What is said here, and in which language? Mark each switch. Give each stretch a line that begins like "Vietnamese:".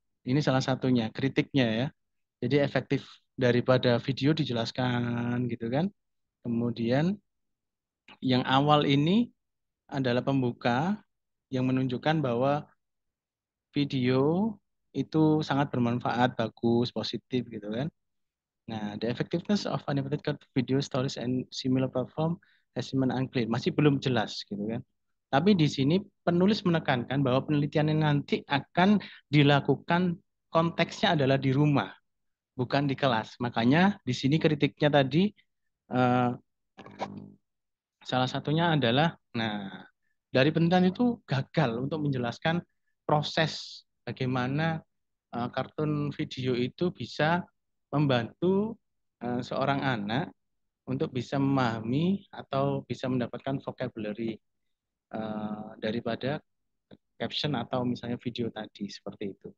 Indonesian: Ini salah satunya kritiknya ya. Jadi efektif daripada video dijelaskan gitu kan. Kemudian yang awal ini adalah pembuka yang menunjukkan bahwa video itu sangat bermanfaat, bagus, positif gitu kan.
English: Nah, the effectiveness of animated cut video stories and similar platform has been unclear.
Indonesian: Masih belum jelas gitu kan. Tapi di sini penulis menekankan bahwa penelitian yang nanti akan dilakukan konteksnya adalah di rumah, bukan di kelas. Makanya di sini kritiknya tadi salah satunya adalah, nah, dari penelitian itu gagal untuk menjelaskan proses bagaimana kartun video itu bisa membantu seorang anak untuk bisa memahami atau bisa mendapatkan vocabulary daripada caption atau misalnya video tadi seperti itu.